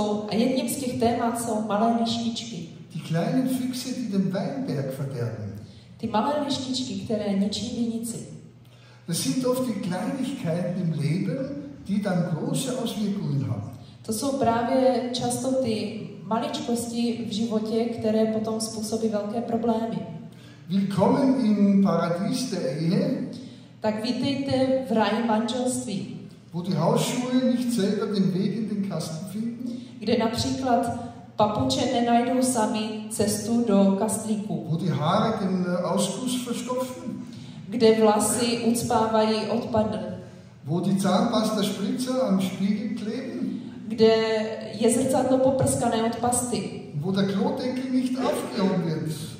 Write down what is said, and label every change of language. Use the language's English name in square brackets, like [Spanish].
[Czech] A jedním z těch témat jsou malé lištičky. [German] Die kleinen Füchse, die den Weinberg verderben. [Czech] Ty malé lištičky, které ničí vinici. [German] Das sind oft die Kleinigkeiten im Leben, die dann große Auswirkungen haben. [Czech] To jsou právě často ty maličkosti v životě, které potom způsobí velké problémy. [German] Willkommen im Paradies der Ehe. [Czech] Tak vítejte v ráji manželství. [German] Wo die Hausschuhe nicht selber den Weg in den Kasten finden. [Czech] Kde například papuče nenajdou sami cestu do kastlíku. [German] Wo die Haare den Ausguss verstopfen. [Czech] Kde vlasy ucpávají odpad. [German] Wo die Zahnpasta Spritzer am Spiegel kleben. [Czech] Kde je zrcadlo poprskané od pasty. [German] Wo der Klodeckel nicht aufgehoben wird.